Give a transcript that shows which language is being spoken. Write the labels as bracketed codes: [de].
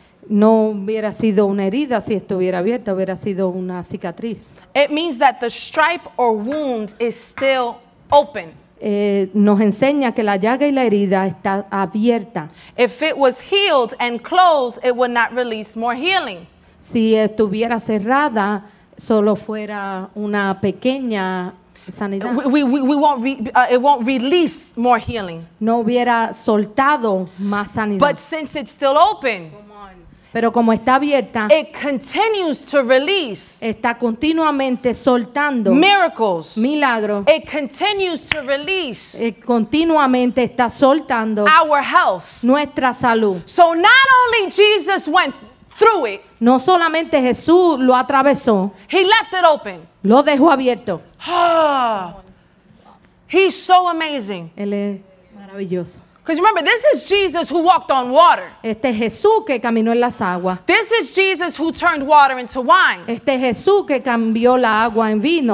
[es] No hubiera sido una herida si estuviera abierta, hubiera sido una cicatriz. [en] It means that the stripe or wound is still open. [es] Nos enseña que la llaga y la herida está abierta. [en] If it was healed and closed, it would not release more healing. [es] Si estuviera cerrada, solo fuera una pequeña sanidad. [en] It won't release more healing. [es] No hubiera soltado más sanidad. [en] But since it's still open. [es] Pero como está abierta, [en] it continues to release. [es] Está continuamente soltando [en] miracles. [es] Milagros. [en] It continues to release. [es] Y continuamente está soltando [en] our health. [es] Nuestra salud. [en] So not only Jesus went through it. [es] No solamente Jesús lo atravesó. [en] He left it open. [es] Lo dejó abierto. [en] Oh, he's so amazing. [es] Él es maravilloso. [en] Because remember, this is Jesus who walked on water. [es] Este es Jesús que caminó en las aguas. [en] This is Jesus who turned water into wine. [es] Este es Jesús que cambió la agua en vino.